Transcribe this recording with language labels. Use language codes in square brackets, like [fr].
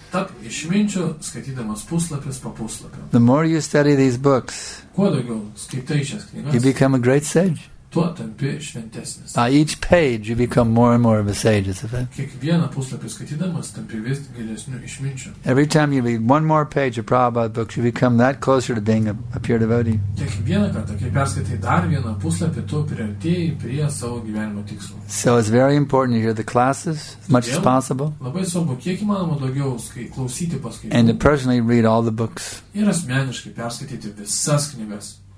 [en] The more you study these books, you become a great sage. [lt] šventesnis. [en] A each page you become more and more of a sage, is it? [lt] Kiekvieną puslapį skaitydamas tampi vis gilesniu išminčiu. [en] Every time you read one more page of Prabhupada books, you become that closer to being a pure devotee. [lt] Kiekvieną kartą, kai perskaitai dar vieną puslapį, tu priartėji prie savo gyvenimo tikslo. [en] So it's very important to hear the classes as much as possible. [lt] Labai svarbu, kiek įmanoma daugiau klausyti paskaitų. [en] And to personally read all the books. [lt] Ir asmeniškai perskaityti visas knygas.